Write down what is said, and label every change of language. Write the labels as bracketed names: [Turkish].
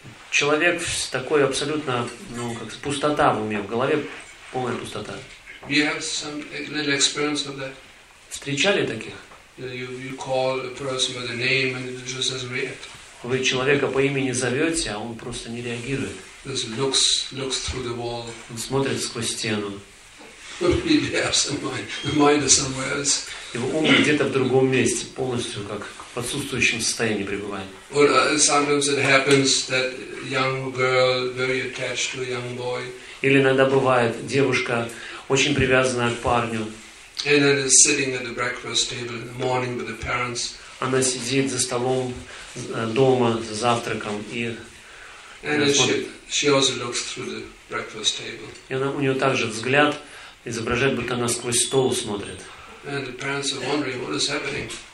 [Russian] Человек такой абсолютно, ну, как пустота в уме, в голове полная пустота. [English] You have some little experience of that? [Russian] Встречали таких? [English] You call a person by the name and it just doesn't react. [Russian] Вы человека по имени зовете, а он просто не реагирует. [English] Just looks through the wall. [Russian] Он смотрит сквозь стену. [English] Mind is somewhere else. [Russian] Его ум где-то в другом месте, полностью как в отсутствующем состоянии пребывает. [English] Sometimes it happens that young girl very attached to a young boy. [Russian] Или иногда бывает девушка очень привязанная к парню. [English] And then is sitting at the breakfast table in the morning with the parents. [Russian] Она сидит за столом дома за завтраком и. [English] And she also looks through the breakfast table. [Russian] И она, у нее также взгляд изображает, будто она сквозь стол смотрит. [English] And the parents are wondering what is happening.